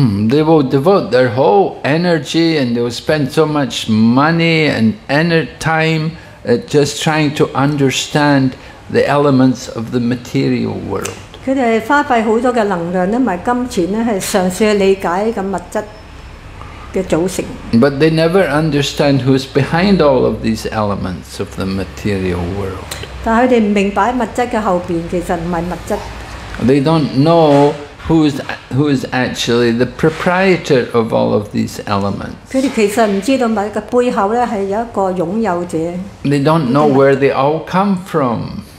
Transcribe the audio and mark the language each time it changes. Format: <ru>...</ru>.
<en>They will devote their whole energy and they will spend so much money and time just trying to understand the elements of the material world.</en> <zh>他們花費很多的能量和金錢嘗試理解物質的組成。</zh> <en>But they never understand who's behind all of these elements of the material world.</en> <zh>但他們不明白物質的後面其實不是物質。</zh> <en>They don't know who is actually the proprietor of all of these elements.</en> <zh>他們其實不知道背後是有一個擁有者。</zh> <en>They don't know where they all come from.</en>